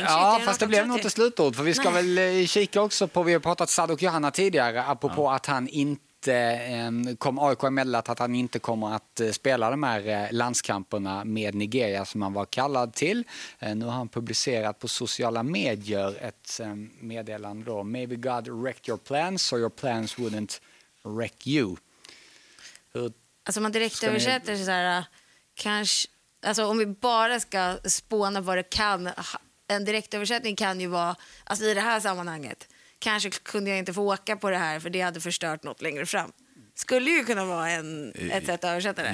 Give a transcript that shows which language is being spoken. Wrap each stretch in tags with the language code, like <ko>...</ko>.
<sv>Ja, fast det blev något till slutord. För vi ska väl kika också på, vi har pratat Sadok Johanna tidigare, apropå att han inte kom, AIK meddelat att han inte kommer att spela de här landskamperna med Nigeria som han var kallad till. Nu har han publicerat på sociala medier ett meddelande då.</sv> <en>Maybe God wrecked your plans so your plans wouldn't wreck you.</en> <sv>Alltså man direkt översätter så här, kanske, alltså om vi bara ska spåna vad det kan, en direkt översättning kan ju vara, alltså i det här sammanhanget kanske kunde jag inte få åka på det här för det hade förstört något längre fram. Skulle ju kunna vara en, ett sätt att översätta det.</sv>